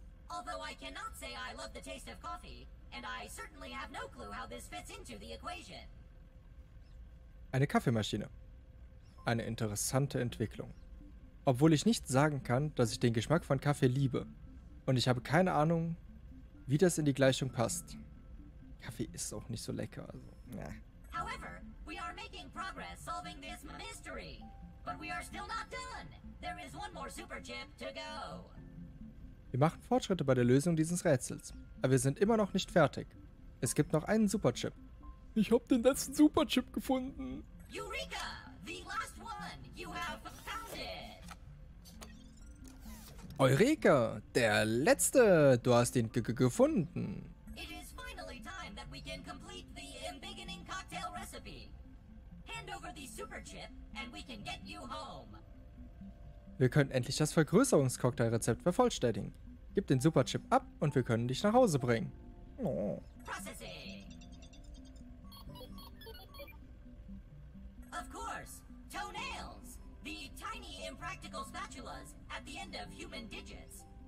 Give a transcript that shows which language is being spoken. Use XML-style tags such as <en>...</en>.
<en>Although I cannot say I love the taste of coffee, and I certainly have no clue how this fits into the equation.</en> <de>Eine Kaffeemaschine. Eine interessante Entwicklung. Obwohl ich nicht sagen kann, dass ich den Geschmack von Kaffee liebe. Und ich habe keine Ahnung, wie das in die Gleichung passt. Kaffee ist auch nicht so lecker, also. Ne.</de> <en>However, we are making progress solving this mystery. But we are still not done. There is one more super chip to go.</en> <de>Wir machen Fortschritte bei der Lösung dieses Rätsels, aber wir sind immer noch nicht fertig. Es gibt noch einen Superchip. Ich habe den letzten Superchip gefunden.</de> <en>Eureka, the last one. You have found it.</en> <de>Eureka, der letzte. Du hast ihn gefunden.</de> <en>It is finally time that we can complete the Embiggening cocktail recipe. Hand over the superchip and we can get you home.</en> <de>Wir können endlich das Vergrößerungscocktailrezept vervollständigen. Gib den Superchip ab und wir können dich nach Hause bringen.</de> <en>Oh. Processing. Of course, toenails. The tiny impractical spatulas at the end of human digits.</en>